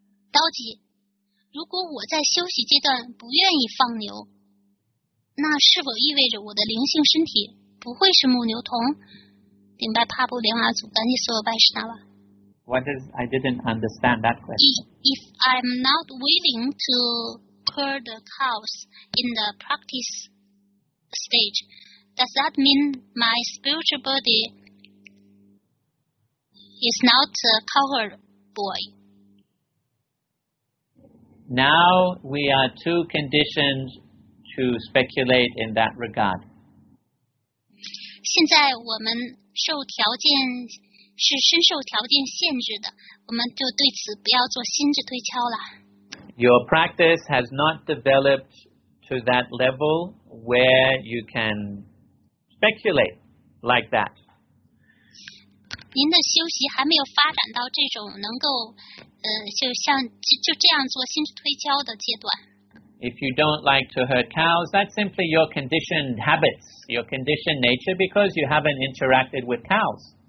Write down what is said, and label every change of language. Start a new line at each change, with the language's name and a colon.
Chinese: 刀吉，如果我在休息阶段不愿意放牛，那是否意味着我的灵性身体不会是牧牛童？顶拜帕布莲瓦祖，感谢所有拜师那瓦。
English: What is? I didn't understand that question. If I'm not willing to curl the cows in the practice stage, does that mean my spiritual body is not a cowherd boy? Now we are too conditioned to speculate in that regard.
Chinese: 现在我们受条件是深受条件限制的，我们就对此不要做心智推敲了。
English: Your practice has not developed to that level where you can speculate like that.
Chinese: 您的修习还没有发展到这种能够就像 就这样做心智推敲的阶段。
English: If you don't like to herd cows, that's simply your conditioned habits, your conditioned nature, because you haven't interacted with cows.